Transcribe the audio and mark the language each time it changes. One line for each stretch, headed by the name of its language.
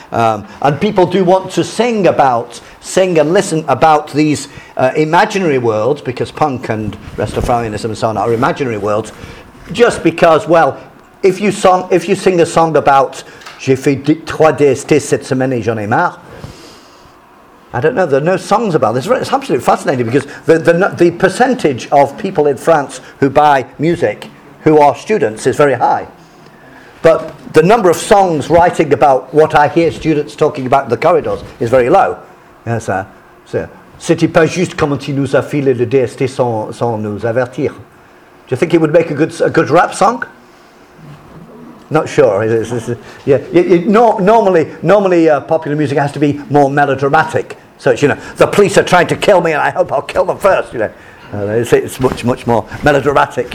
English: And people do want to sing and listen about these imaginary worlds, because punk and Rastafarianism and so on are imaginary worlds, just because, well, if you sing a song about
French: j'ai fait trois DSTs cette semaine et j'en ai marre,
English: I don't know, there are no songs about this. It's absolutely fascinating, because the percentage of people in France who buy music who are students is very high. But the number of songs writing about what I hear students talking about in the corridors is very low. Yes, sir.
French: So, c'était pas juste comment il nous a filé le DST sans nous avertir.
English: Do you think it would make a good rap song? Not sure. Normally, popular music has to be more melodramatic. So it's, you know, the police are trying to kill me, and I hope I'll kill them first. You know, it's much, much more melodramatic.